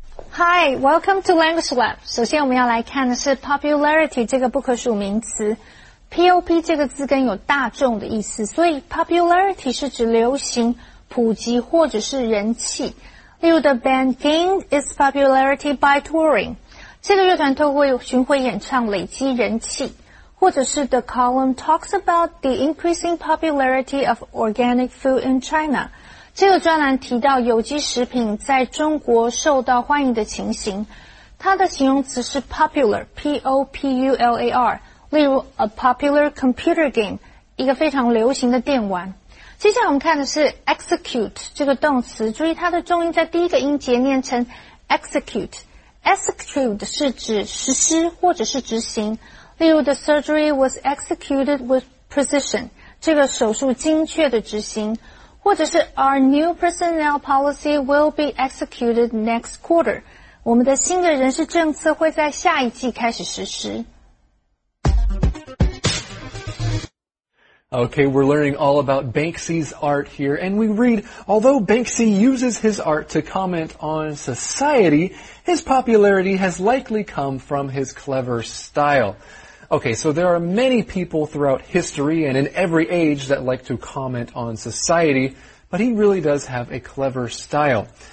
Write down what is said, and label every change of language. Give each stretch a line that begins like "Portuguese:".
English: Hi, welcome to Language Lab.
Chinese: 首先我们要来看的是 popularity 这个不可数名词。 POP 这个字根有大众的意思，所以 popularity 是指流行、普及或者是人气。例如
English: the band gained its popularity by touring.
Chinese: 这个乐团透过巡回演唱累积人气。或者是
English: the column talks about the increasing popularity of organic food in China.
Chinese: 这个专栏提到有机食品在中国受到欢迎的情形，它的形容词是 popular, P-O-P-U-L-A-R, 例如
English: a popular computer game,
Chinese: 一个非常流行的电玩。接下来我们看的是 execute 这个动词，注意它的重音在第一个音节念成 execute, execute 是指实施或者是执行，例如
English: the surgery was executed with precision,
Chinese: 这个手术精确的执行，或者是
English: Our new personnel policy will be executed next quarter.
Chinese: 我们的新的人事政策会在下一季开始实施。
English: Okay, we're learning all about Banksy's art here, and we read, although Banksy uses his art to comment on society, his popularity has likely come from his clever style. Okay, so there are many people throughout history and in every age that like to comment on society, but he really does have a clever style.